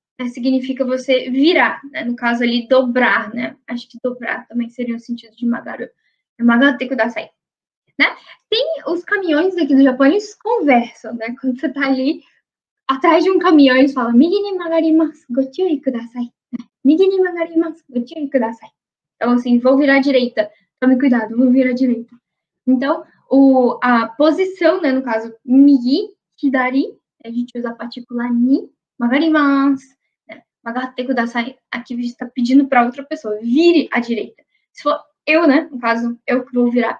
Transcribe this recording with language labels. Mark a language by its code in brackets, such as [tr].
[pt] É, significa você virar, né? No caso ali, dobrar, né? Acho que dobrar também seria o sentido de magaru. [ja] Magaru te kudasai, [pt] né? Tem os caminhões aqui do Japão, eles conversam, né? Quando você tá ali atrás de um caminhão, eles falam [ja] Migi ni magarimasu, ご注意ください。 Migi ni magarimasu, ご注意ください。 [pt] Então, assim, vou virar à direita. Tome cuidado, vou virar à direita. Então, a posição, né? No caso, Migi, Kidari, a gente usa a partícula ni, magarimasu. [ja] Magatte kudasai. [pt] Aqui você está pedindo para outra pessoa. Vire à direita. Se for eu, né? No caso, eu que vou virar.